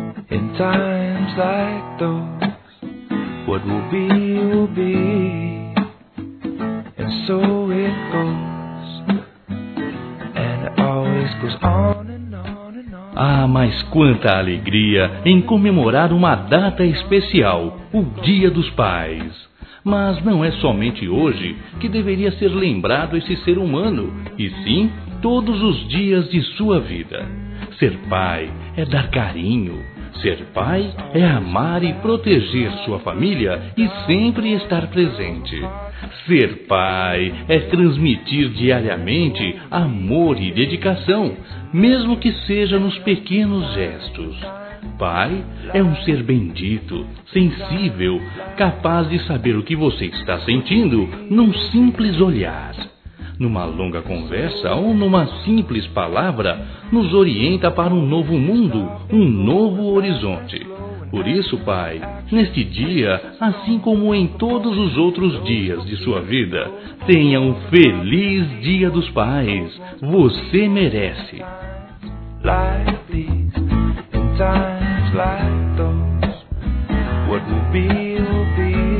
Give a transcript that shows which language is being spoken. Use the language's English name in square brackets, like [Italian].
[English] In times like those, what will be, and so it goes, and it always goes on. [Portuguese] Ah, mas quanta alegria em comemorar uma data especial, o Dia dos Pais. Mas não é somente hoje que deveria ser lembrado esse ser humano, e sim todos os dias de sua vida. Ser pai é dar carinho, ser pai é amar e proteger sua família e sempre estar presente. Ser pai é transmitir diariamente amor e dedicação, mesmo que seja nos pequenos gestos. Pai é um ser bendito, sensível, capaz de saber o que você está sentindo num simples olhar. Numa longa conversa ou numa simples palavra, nos orienta para um novo mundo, um novo horizonte. Por isso, pai, neste dia, assim como em todos os outros dias de sua vida, tenha um feliz Dia dos Pais. Você merece. [English] Life is, in times like those, what will be.